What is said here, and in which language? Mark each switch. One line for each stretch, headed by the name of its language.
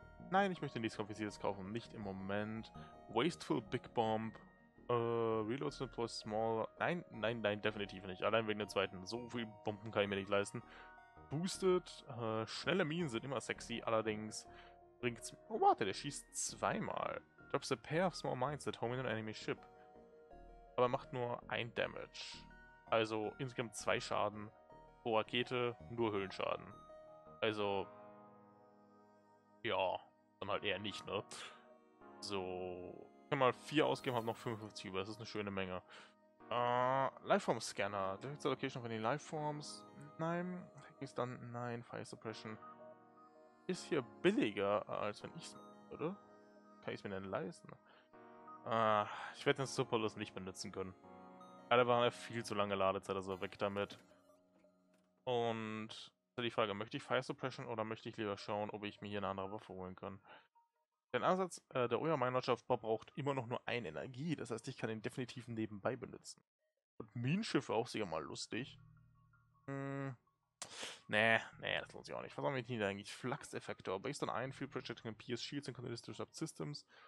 German: Nein, ich möchte nichts Kompliziertes kaufen. Nicht im Moment. Wasteful Big Bomb. Reloads mit plus Small. Nein, nein, nein, definitiv nicht. Allein wegen der zweiten. So viel Bomben kann ich mir nicht leisten. Boosted. Schnelle Minen sind immer sexy. Allerdings bringt's. Oh, warte, der schießt zweimal.
English: Drops a pair of small mines that home in an enemy ship.
German: Aber macht nur ein Damage. Also insgesamt zwei Schaden. Pro Rakete nur Höhenschaden. Also. Ja, dann halt eher nicht, ne? So. Ich kann mal 4 ausgeben, hab noch 55 über. Das ist eine schöne Menge. Lifeform Scanner. Direct Allocation von den Lifeforms. Nein. Hacking Stun. Nein. Fire Suppression. Ist hier billiger, als wenn ich's machen würde. Kann ich's mir denn leisten? Ich werde den Superlust nicht benutzen können. Leider war er viel zu lange Ladezeit, also weg damit. Und die Frage, möchte ich Fire Suppression oder möchte ich lieber schauen, ob ich mir hier eine andere Waffe holen kann? Den Ansatz der Oya Minerschaft braucht immer noch nur eine Energie, das heißt, ich kann ihn definitiv nebenbei benutzen. Und Minenschiffe auch sicher mal lustig. Nee, das lohnt sich auch nicht. Was haben wir hier eigentlich? Flux-Effektor.
English: Based on Iron Field Projecting and Pierce Shields and Continuous Disrupt Systems.